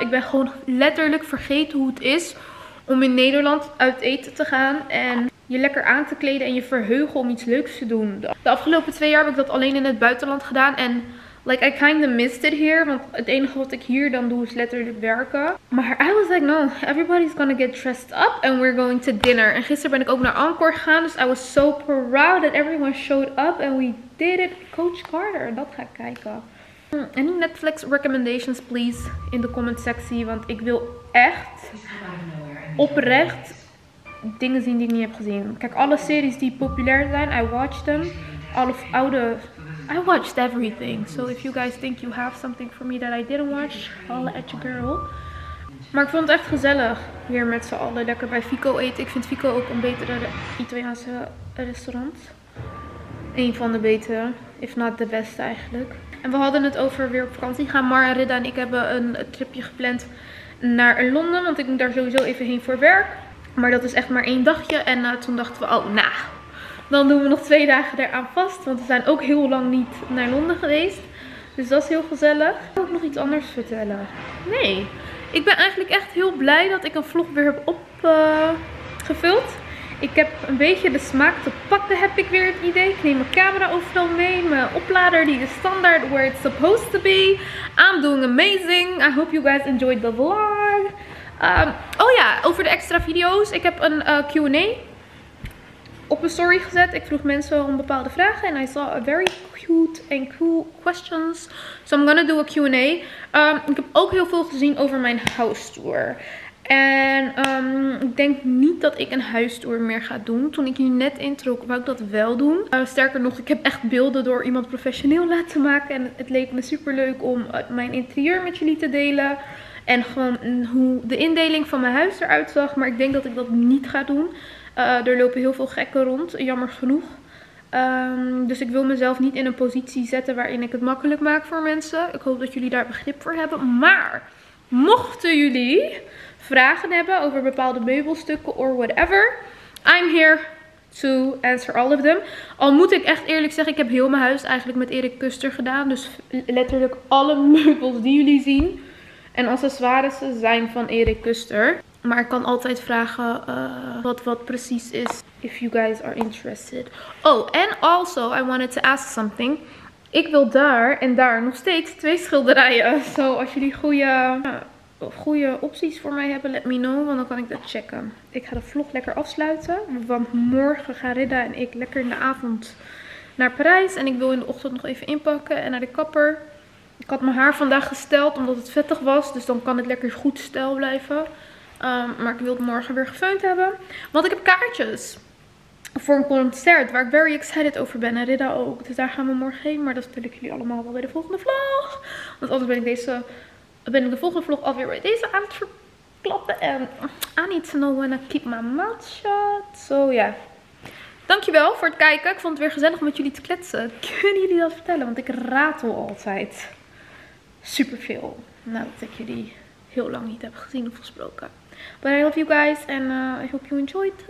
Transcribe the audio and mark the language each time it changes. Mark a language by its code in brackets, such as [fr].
[nl] Ik ben gewoon letterlijk vergeten hoe het is om in Nederland uit eten te gaan. En je lekker aan te kleden en je verheugen om iets leuks te doen. De afgelopen 2 jaar heb ik dat alleen in het buitenland gedaan. En [en] like, I kind of missed it here. [nl] Want het enige wat ik hier dan doe is letterlijk werken. [en] Maar I was like, no, everybody's gonna get dressed up and we're going to dinner. [nl] En gisteren ben ik ook naar Encore gegaan. [en] Dus I was so proud that everyone showed up and we did it. [nl] Coach Carter, dat ga ik kijken. [en] Any Netflix recommendations, please, [nl] in de comment sectie. Want ik wil echt oprecht dingen zien die ik niet heb gezien. Kijk, alle series die populair zijn, [en] I watch them. [nl] Alle oude, [en] I watched everything. So if you guys think you have something for me that I didn't watch, holla at your girl. [nl] Maar ik vond het echt gezellig hier met z'n allen lekker bij Fico eten. Ik vind Fico ook een betere Italiaanse restaurant. Een van de betere, [en] if not the best [nl] eigenlijk. En we hadden het over weer op vakantie gaan. Mar, Ridda en ik hebben een tripje gepland naar Londen. Want ik moet daar sowieso even heen voor werk. Maar dat is echt maar 1 dagje. En toen dachten we, oh, nou, dan doen we nog 2 dagen eraan vast. Want we zijn ook heel lang niet naar Londen geweest. Dus dat is heel gezellig. Ik wil ook nog iets anders vertellen. Nee. Ik ben eigenlijk echt heel blij dat ik een vlog weer heb opgevuld. Ik heb een beetje de smaak te pakken, heb ik weer het idee. Ik neem mijn camera overal mee. Mijn oplader die is standaard [en] where it's supposed to be. I'm doing amazing. I hope you guys enjoyed the vlog. [nl] Oh ja, over de extra video's. Ik heb een Q&A op mijn story gezet. Ik vroeg mensen om bepaalde vragen. [en] En I saw a very cute and cool questions. So I'm gonna do a Q&A. [nl] Ik heb ook heel veel gezien over mijn house tour. En ik denk niet dat ik een huistour meer ga doen. Toen ik hier net introk, wou ik dat wel doen. Sterker nog, ik heb echt beelden door iemand professioneel laten maken. En het leek me super leuk om mijn interieur met jullie te delen. En gewoon hoe de indeling van mijn huis eruit zag. Maar ik denk dat ik dat niet ga doen. Er lopen heel veel gekken rond, jammer genoeg. Dus ik wil mezelf niet in een positie zetten waarin ik het makkelijk maak voor mensen. Ik hoop dat jullie daar begrip voor hebben. Maar mochten jullie vragen hebben over bepaalde meubelstukken [en] or whatever, I'm here to answer all of them. [nl] Al moet ik echt eerlijk zeggen, ik heb heel mijn huis eigenlijk met Erik Kuster gedaan. Dus letterlijk alle meubels die jullie zien en accessoires zijn van Erik Kuster. Maar ik kan altijd vragen wat precies is. [en] If you guys are interested. Oh, and also I wanted to ask something. [nl] Ik wil daar en daar nog steeds twee schilderijen. So, als jullie goede opties voor mij hebben, [en] let me know. [nl] Want dan kan ik dat checken. Ik ga de vlog lekker afsluiten. Want morgen gaan Ridda en ik lekker in de avond naar Parijs. En ik wil in de ochtend nog even inpakken en naar de kapper. Ik had mijn haar vandaag gesteld omdat het vettig was. Dus dan kan het lekker goed stijl blijven. Maar ik wil het morgen weer gefeund hebben. Want ik heb kaartjes voor een concert waar ik [en] very excited [nl] over ben. En Ridda ook. Dus daar gaan we morgen heen. Maar dat vertel ik jullie allemaal wel bij de volgende vlog. Want anders ben ik de volgende vlog alweer bij deze aan het verklappen. [en] En I need to know when I keep my mouth shut. So yeah. [nl] Dankjewel voor het kijken. Ik vond het weer gezellig om met jullie te kletsen. Kunnen jullie dat vertellen? Want ik ratel altijd superveel. Nadat ik jullie heel lang niet heb gezien of gesproken. [en] But I love you guys and I hope you enjoyed.